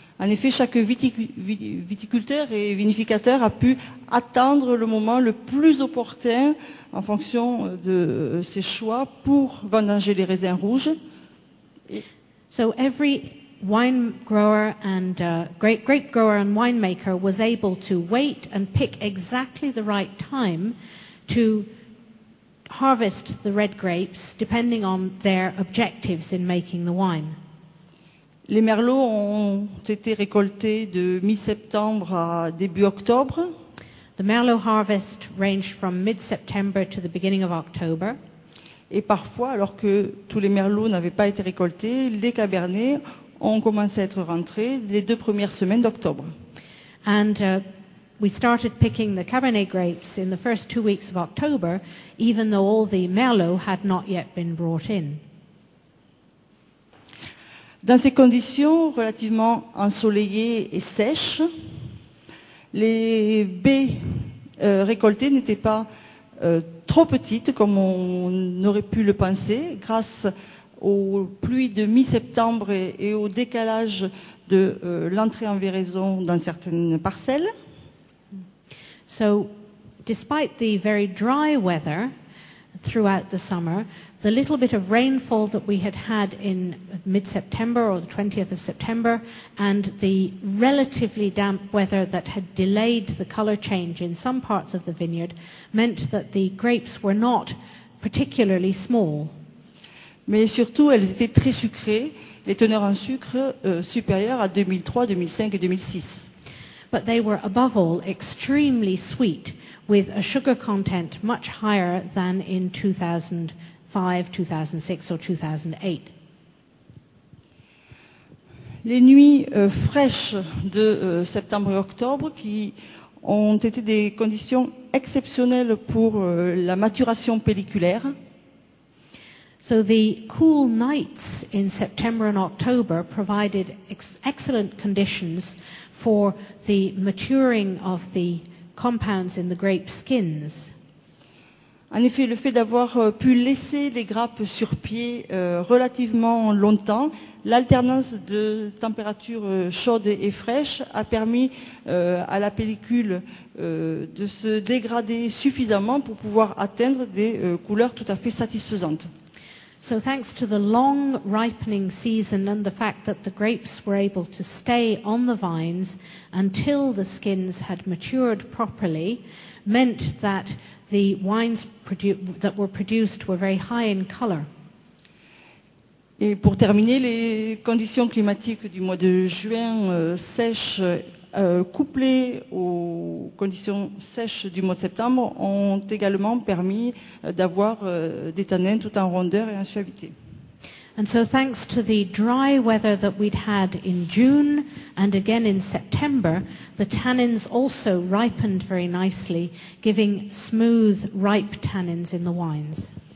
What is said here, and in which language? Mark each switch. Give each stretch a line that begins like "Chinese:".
French: En effet, chaque viticulteur et vinificateur a pu attendre le moment le plus opportun en fonction de ses choix pour vendanger les raisins rouges.
English: So every wine grower and grape grower and winemaker was able to wait and pick exactly the right time to harvest the red grapes depending on their objectives in making the wine.
French: Les merlots ont été récoltés de mi-septembre à début octobre.
English: The merlot harvest ranged from mid-September to the beginning of October.
French: Et parfois, alors que tous les merlots n'avaient pas été récoltés, les cabernets ont commencé à être rentrés les 2 premières semaines d'octobre.
English: And we started picking the Cabernet grapes in the first 2 weeks of October, even though all the Merlot had not yet been brought in.
French: Dans ces conditions relativement ensoleillées et sèches, les baies récoltées n'étaient pas trop petites, comme on aurait pu le penser, grâce aux pluies de mi-septembre et au décalage de l'entrée en véraison dans certaines parcelles.
English: So, despite the very dry weather throughout the summer, the little bit of rainfall that we had had in mid-September or the 20th of September, and the relatively damp weather that had delayed the color change in some parts of the vineyard, meant that the grapes were not particularly small.
French: Mais surtout, elles étaient très sucrées, les teneurs en sucre supérieures à 2003, 2005 et 2006.
English: But they were above all extremely sweet, with a sugar content much higher than in 2005, 2006 or 2008.
French: Les nuits fraîches de septembre et octobre, qui ont été des conditions exceptionnel pour la maturation pelliculaire.
English: So the cool nights in September and October provided excellent conditions for the maturing of the compounds in the grape skins.
French: En effet, le fait d'avoir pu laisser les grappes sur pied relativement longtemps, l'alternance de températures chaudes et fraîches a permis à la pellicule de se dégrader suffisamment pour pouvoir atteindre des couleurs tout à fait satisfaisantes.
English: So thanks to the long ripening season and the fact that the grapes were able to stay on the vines until the skins had matured properly meant that the wines that were produced were very high in color.
French: Et pour terminer, les conditions climatiques du mois de juin sèches couplées aux conditions sèches du mois de septembre ont également permis d'avoir des tanins tout en rondeur et en suavité.
English: And so thanks to the dry weather that we'd had in June and again in September, the tannins also ripened very nicely, giving smooth, ripe tannins in the wines.